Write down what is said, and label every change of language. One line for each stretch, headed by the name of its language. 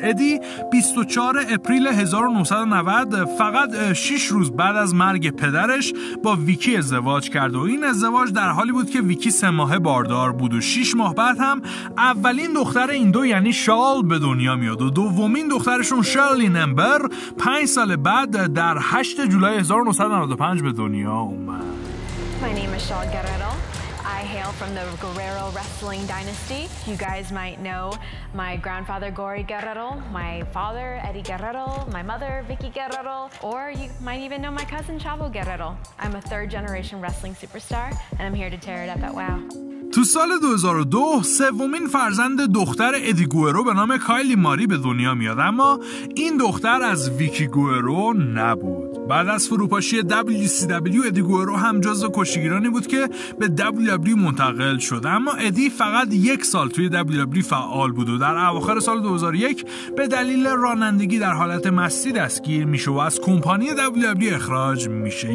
Persian: ادی 24 اپریل 1990 فقط 6 روز بعد از مرگ پدرش با ویکی ازدواج کرد و این ازدواج در حالی بود که ویکی 3 ماهه باردار بود و 6 ماه بعد هم اولین دختر این دو یعنی شال به دنیا میاد و دومین دخترشون شرلی نمبر 5 سال بعد در 8 جولای 1995 به دنیا اومد.
English: My name is Shawn Guerrero. I hail from the Guerrero Wrestling Dynasty. You guys might know my grandfather Gory Guerrero, my father Eddie Guerrero, my mother Vicky Guerrero, or you might even know my cousin Chavo Guerrero. I'm a third generation wrestling superstar and I'm here to tear it up at WOW.
Persian: تو سال 2002 سومین فرزند دختر ادی گوئرو به نام کایلی ماری به دنیا میاد، اما این دختر از ویکی گوئرو نبود. بعد از فروپاشی WCW ادی گوئرو هم جزو کشتی‌گیرانی بود که به WWE منتقل شد، اما ادی فقط 1 سال توی WWE فعال بود و در اواخر سال 2001 به دلیل رانندگی در حالت مستی دستگیر میشه و از کمپانی WWE اخراج میشه.